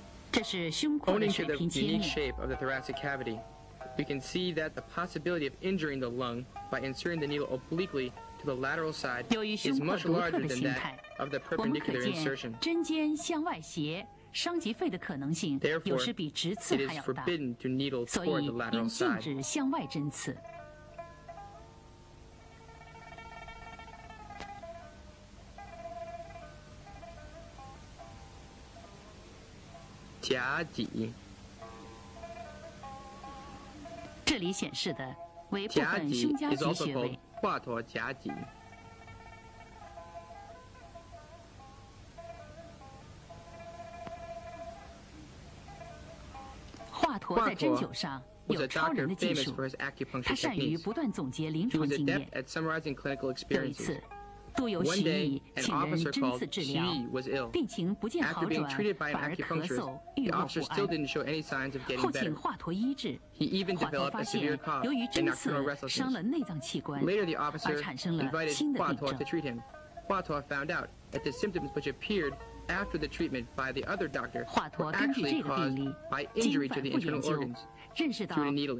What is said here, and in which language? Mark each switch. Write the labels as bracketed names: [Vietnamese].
[Chinese] 这是胸廓的水平切面。 [English] Owing to the unique shape of the thoracic cavity, we can see that the possibility of injuring the lung by inserting the needle obliquely to the lateral side is much larger than that of the perpendicular insertion. [Chinese] 针尖向外斜，伤及肺的可能性有时比直刺还要大。 [English] Therefore, it is forbidden to needle toward the lateral side. [Chinese] 所以应禁止向外针刺。夹脊，这里显示的为部分胸夹脊穴位，华佗夹脊。华佗在针灸上有超人的技术，他善于不断总结临床经验。有一次，杜有徐请人针刺治疗，病情不见好转，反而咳嗽，郁闷不安。 [English] Still didn't show any signs of getting better. [Chinese] 后请华佗医治。 [English] He even developed a severe cough and nocturnal restlessness. [Chinese] 伤了内脏器官。 [English] Later, the officer invited Hua Tuo to treat him. Hua Tuo found out that the symptoms which appeared after the treatment by the other doctor were actually caused by injury to the internal organs through the needling.